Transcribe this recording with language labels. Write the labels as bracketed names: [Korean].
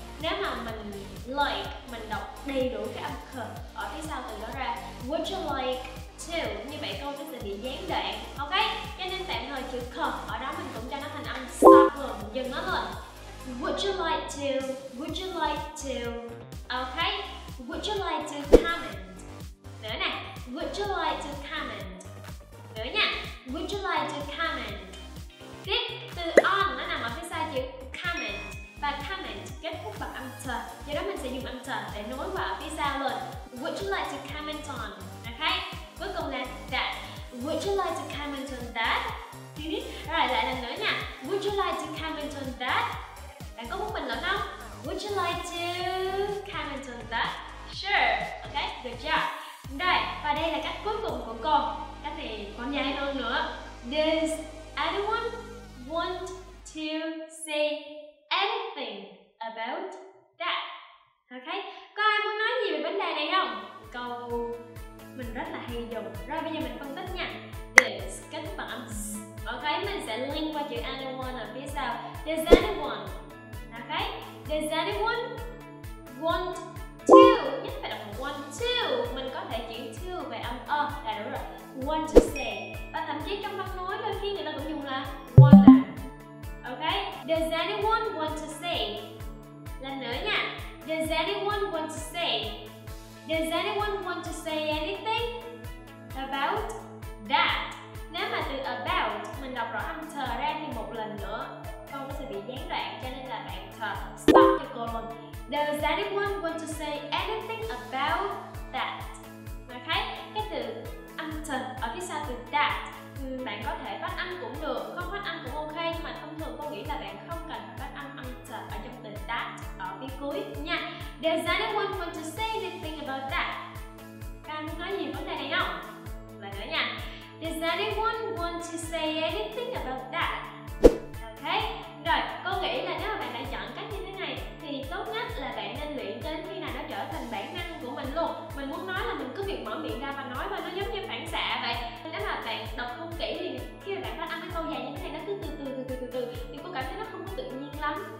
[Vietnamese] Nếu mà mình like, mình đọc đầy đủ cái âm khờ ở phía sau từ đó ra. [English] Would you like to? [Vietnamese] Như vậy câu sẽ bị gián đoạn. Ok, cho nên tạm thời chữ khờ ở đó mình cũng cho nó thành âm stop luôn, dừng nó luôn. [English] Would you like to? Ok, would you like to comment? [Vietnamese] Nữa nè, [English] would you like to comment? [Vietnamese] Nữa nha, [English] would you like to comment? [Vietnamese] Tiếp, từ on nó nằm ở phía sau chữ comment. Và comment kết thúc bằng âm t, do đó mình sẽ dùng âm t để nối vào phía sau luôn. [English] Would you like to comment on? Ok, [Vietnamese] cuối cùng là [English] that. Would you like to comment on that? [Vietnamese] Rồi, lại lần nữa nha. [English] Would you like to comment on that? [Vietnamese] Bạn có muốn bình luận không? [English] Would you like to comment on that? Sure. Ok, good job. [Vietnamese] Rồi, và đây là cách cuối cùng của cô. Cách này còn dài hơn nữa. [English] Does anyone want to say anything about that? [Vietnamese] Ok, có ai muốn nói gì về vấn đề này không? Câu mình rất là hay dùng. Rồi bây giờ mình phân tích nha. Does kết thúc bằng âm s. Ok, mình sẽ link qua chữ anyone ở phía sau. [English] Does anyone? Ok, does anyone want to? [Vietnamese] Nhất phải đọc want to. Mình có thể chuyển to về âm ơ. Đã đúng rồi. [English] Want to say. [Vietnamese] Và thậm chí trong văn nói đôi khi người ta cũng dùng là want to. [English] Ok, does anyone want to say? [Vietnamese] Lần nữa nha. [English] Does anyone want to say? Does anyone want to say anything about that? [Vietnamese] Nếu mà từ about mình đọc rõ âm t ra thì một lần nữa câu sẽ bị gián đoạn, cho nên là bạn thở stop cho cô luôn. [English] Does anyone want to say anything about that? [Vietnamese] Ok, cái từ âm t ở phía sau từ that, bạn có thể phát âm cũng được, không phát âm cũng ok, nhưng mà thông thường cô nghĩ là bạn không cần phải phát âm answer ở trong từ that ở phía cuối nha. [English] Does anyone want to say anything about that? [Vietnamese] Các anh muốn nói gì vấn đề này không? Lần nữa nha. [English] Does anyone want to say anything about that? [Vietnamese] Ok, rồi cô nghĩ là nếu mà bạn đã chọn cách như thế này thì tốt nhất là bạn nên luyện cho đến khi nào nó trở thành bản năng của mình luôn. Mình muốn nói là mình cứ việc mở miệng ra và nói thôi, nó giống như phản xạ vậy. Nếu mà bạn đọc không kỹ thì khi mà bạn phát âm cái câu dài như thế này, nó cứ từ từ thì cô cảm thấy nó không có tự nhiên lắm.